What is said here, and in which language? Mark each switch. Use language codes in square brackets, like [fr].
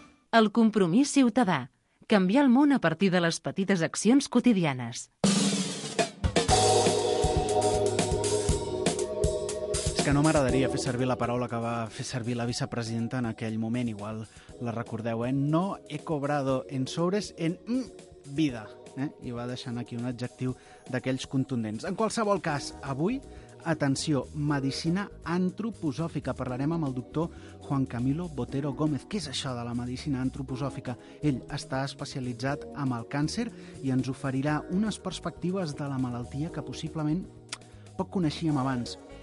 [ca] El compromís ciutadà. Canviar el món a partir de les petites accions quotidianes. És que no m'agradaria fer servir la paraula que va fer servir la vicepresidenta en aquell moment. Igual la recordeu, eh? [es] No he cobrado en sobres en vida. [ca] I va deixant aquí un adjectiu d'aquells contundents. En qualsevol cas, avui, atenció, medicina antroposòfica. Parlarem amb el doctor Juan Camilo Botero Gómez. Què és això de la medicina antroposòfica? Ell està especialitzat en el càncer i ens oferirà unes perspectives de la malaltia que possiblement poc coneixíem abans.